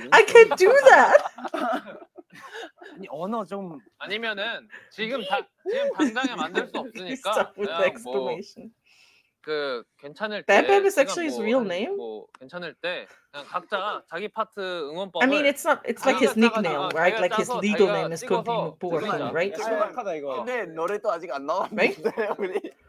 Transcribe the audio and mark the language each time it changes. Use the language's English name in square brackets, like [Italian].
[English] I can't do that. [Korean] 아니 언어 좀 아니면은 지금 당장에 만들 수 없으니까 그냥 뭐 그 괜찮을 때 [English] Bam Bam is actually his real name. [Korean] 뭐 괜찮을 때 그냥 각자 자기 파트 응원법을 [English] I mean it's not it's like his nickname right like his legal name is Kunpi Mokbua Kun right? [Korean] 소박하다 이거. 근데 노래도 아직 안 나왔는데 우리